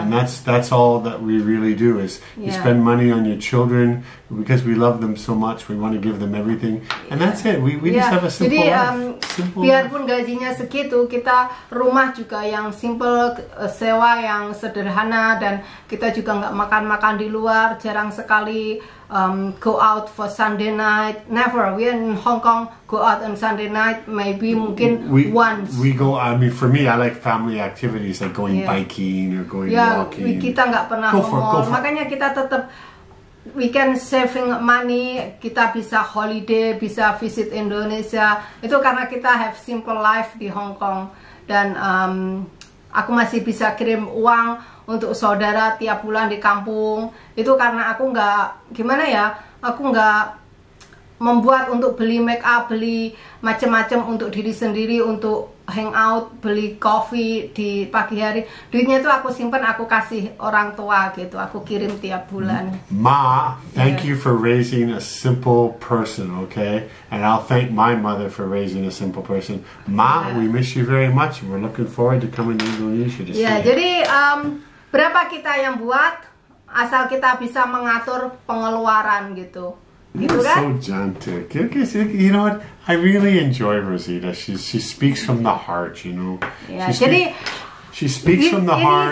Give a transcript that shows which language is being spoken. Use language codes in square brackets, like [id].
[en] And that's all that we really do is yeah. You spend money on your children because we love them so much. We want to give them everything, and yeah. That's it. We yeah. Just have a simple [id] Jadi, [en] life. [id] Biarpun gajinya segitu, kita rumah juga yang simple, sewa yang sederhana, dan kita juga nggak makan di luar, jarang sekali. [en] Go out for Sunday night. Never. We in Hong Kong go out on Sunday night. Maybe [id] mungkin [en] once. We go. I mean, for me, I like family activities like going yeah. biking or going yeah, walking. [id] Yeah, kita nggak pernah [en] mall. [id] Makanya kita tetap [en] we can saving money. [id] Kita bisa [en] holiday, [id] bisa visit Indonesia. Itu karena kita [en] have simple life [id] di Hong Kong dan aku masih bisa kirim uang untuk saudara tiap bulan di kampung. Itu karena aku nggak, gimana ya, aku nggak membuat untuk beli make up, beli macam-macam untuk diri sendiri, untuk hangout, beli coffee di pagi hari. Duitnya itu aku simpan, aku kasih orang tua gitu, aku kirim tiap bulan. [en] Ma, thank yeah. you for raising a simple person, okay? And I'll thank my mother for raising a simple person. Ma, we miss you very much. We're looking forward to coming to Indonesia to yeah, see. [id] Jadi berapa kita yang buat, asal kita bisa mengatur pengeluaran gitu. [en] You're so gentle. You know what? I really enjoy Rosita. She speaks from the heart, you know. Yeah. [id] Jadi, [en] she speaks from the heart.